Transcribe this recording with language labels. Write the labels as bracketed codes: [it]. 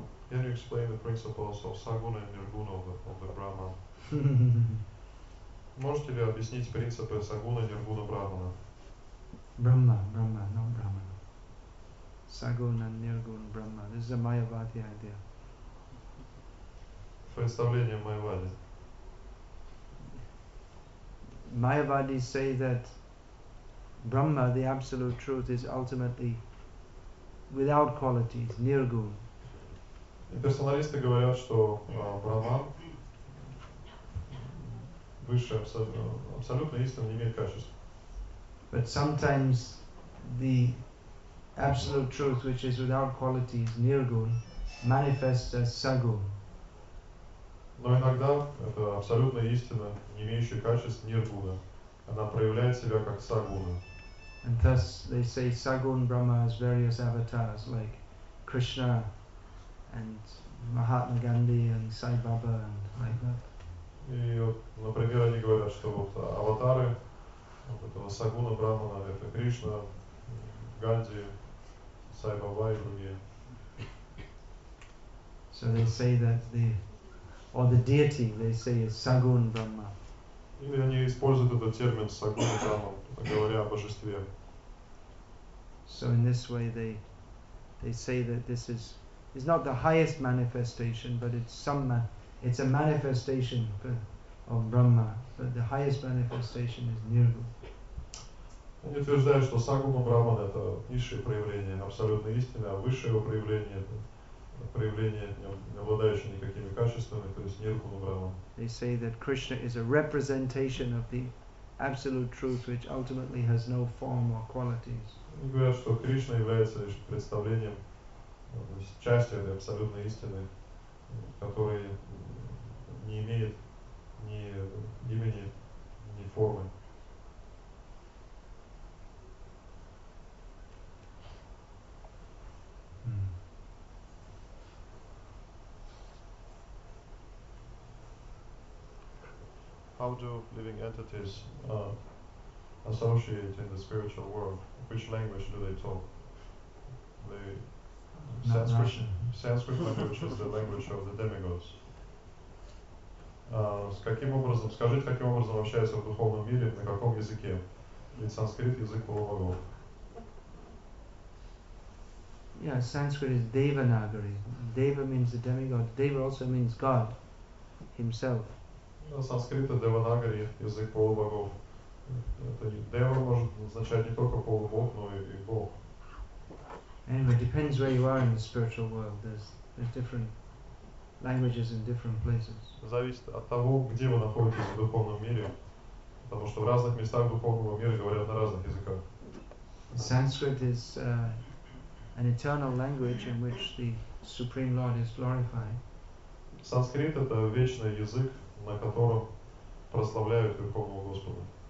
[en] Can you explain the principles of Saguna and Nirguna of the Brahman? [ru] Можете ли объяснить принципы Сагуна, Ниргуна, Брахмана? Брахма, но Брахмана. Сагуна, Ниргуна, Брахмана. [en] This is a Майявади idea. [ru] Представление Майявади. [en] Майявади say that Brahma, the absolute truth, is ultimately without qualities, Ниргун. [ru] И персоналисты говорят, что Брахман, высшая абсолютная истина, не имеет качеств. [en] But sometimes the absolute truth, which is without qualities, nirgun, manifests as sagun. [ru] Но иногда эта абсолютная истина, не имеющая качеств, нирguna, она проявляет себя как сагуна. [en] And thus they say sagun Brahma has various avatars like Krishna and Mahatma Gandhi and Sai Baba and like that. [ru] И, например, они говорят, что вот аватары вот этого Сагуна Брахмана — это Кришна, Ганди, Сай Баба и другие. [en] So they say that the deity they say is Сагун Брахма. [ru] Или они используют этот термин Сагун Брахма, говоря о божестве. [en] So in this way they say that this is not the highest manifestation, but it's some. It's a manifestation of Brahma, but the highest manifestation is Nirguna. [ru] Они утверждают, что Сагуна Брахмана — это низшее проявление абсолютной истины, а высшее его проявление — это проявление, не обладающее никакими качествами, то есть Ниргуна Брахмана. [en] They say that Krishna is a representation of the absolute truth, which ultimately has no form or qualities. [ru] Они говорят, что Кришна является лишь представлением, то есть частью этой абсолютной истины, которая не имеет ни имени, ни формы. [en] How do living entities associate in the spiritual world? Which language do they talk? The Sanskrit language is the language of the demigods. [ru] Скажите, каким образом общаются в духовном мире, на каком языке? Ведь санскрит — язык полубогов. [en] Yeah, Sanskrit is Devanagari. Deva means the demigod. Deva also means God himself. [ru] Санскрит — это Деванагари, язык полубогов. Это Дева может означать не только полубог, но и Бог. [en] Anyway, it depends where you are in the spiritual world. There's different languages in different places. [ru] Зависит от того, где вы находитесь в духовном мире, потому что в разных местах духовного мира говорят на разных языках. [en] Sanskrit is an eternal language in which the Supreme Lord is glorified. [ru] Санскрит — это вечный язык, на котором прославляют Верховного Господа.